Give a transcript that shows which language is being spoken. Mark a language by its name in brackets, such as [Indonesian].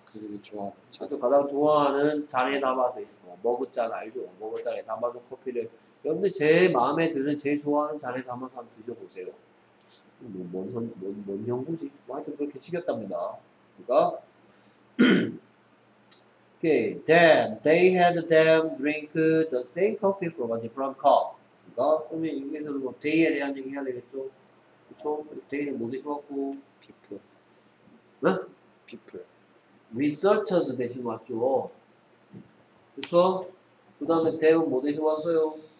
[Korean] 그들이 좋아하는 잔. 그렇죠. 가장 좋아하는 잔에 담아서 있어. 머그잔 알죠? 머그잔에 담아서 커피를 여러분들 제일 마음에 드는 제일 좋아하는 잔에 담아서 한번 드셔보세요. 뭔 연구지? 뭐 하여튼 그렇게 시켰답니다. 그러니까 Okay. [English] Then they had them drink the same coffee from a different cup. [Korean] 그러니까 그러면 여기서는 뭐 they에 대한 얘기 해야 되겠죠? 그렇죠? they는 뭐 되셔갖고 [English] people. [Korean] 응? [English] people. [Korean] researchers 대신 왔죠. 그렇죠? 그다음에 them은 뭐 대신 왔어요?